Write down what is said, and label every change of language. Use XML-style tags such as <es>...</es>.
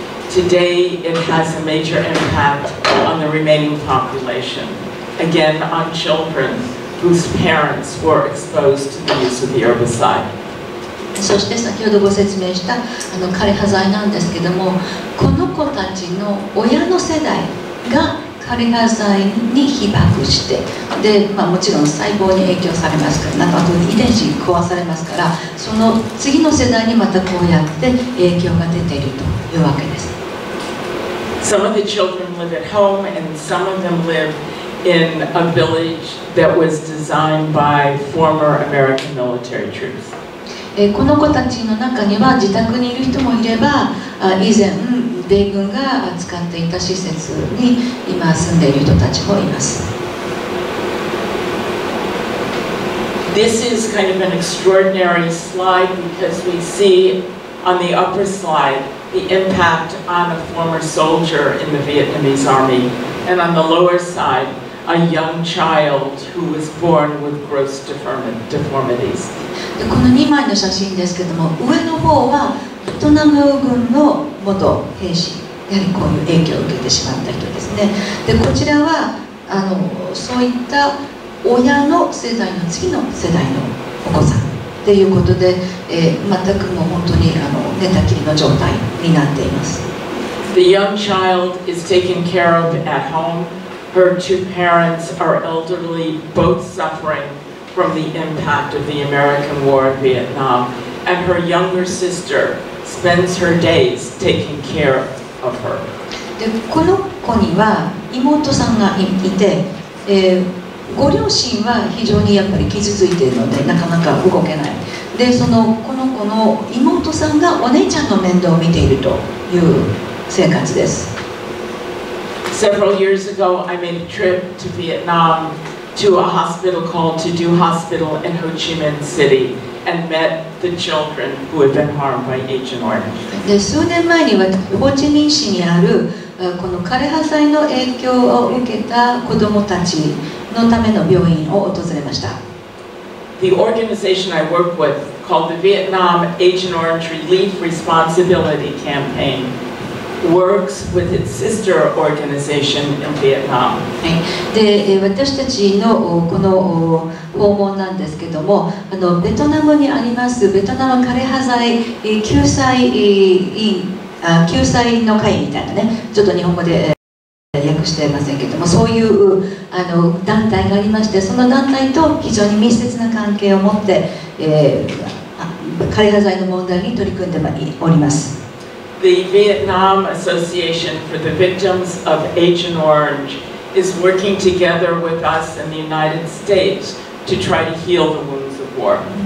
<en>Today, it has a major impact on the remaining population. Again, on children whose parents were exposed to the use of the herbicide.</en> <ja>そして先ほどご説明した枯葉剤なんですけども、この子たちの親の世代が枯葉剤に被爆して、で、もちろん細胞に影響されますから、あと遺伝子壊されますから、その次の世代にまたこうやって影響が出ているというわけです。</ja> <en>Some of the children live at home, and some of them liveIn a village that was designed by former American military troops.</en> <ja>この子たちの中には自宅にいる人もいれば、以前米軍が使っていた施設に今住んでいる人たちもいます。</ja> <en>This is kind of an extraordinary slide because we see on the upper slide the impact on a former soldier in the Vietnamese army and on the lower side a young child who was born with gross deformities.</en> <ja>この2枚の写真ですけども、上の方はベトナム軍の元兵士、やはりこういう影響を受けてしまった人ですね。で、こちらはそういった親の世代の次の世代のお子さんということで、全くもう本当に寝たきりの状態になっています。</ja> <en>The young child is taken care of at home. Her two parents are elderly, both suffering from the impact of the American War in Vietnam. And her younger sister spends her days taking care of her.</en> <ja>で、この子には妹さんがいて、ご両親は非常にやっぱり傷ついているのでなかなか動けない。で、そのこの子の妹さんがお姉ちゃんの面倒を見ているという生活です。</ja> <en>Several years ago, I made a trip to Vietnam to a hospital called To Do Hospital in Ho Chi Minh City and met the children who had been harmed by Agent Orange.</en> <ja>で、数年前にはホーチミン市にあるこの枯葉剤の影響を受けた子どもたちのための病院を訪れました。</ja> <en>The organization I work with called the Vietnam Agent Orange Relief Responsibility Campaign works with its sister organization in Vietnam.</en> <ja>で、私たちのこの訪問なんですけども、ベトナムにありますベトナム枯葉剤救済院、救済の会みたいなね、ちょっと日本語で訳していませんけども、そういう団体がありまして、その団体と非常に密接な関係を持って、枯葉剤の問題に取り組んでおります。</ja> <en>The Vietnam Association for the Victims of Agent Orange is working together with us in the United States to try to heal the wounds of war.</en>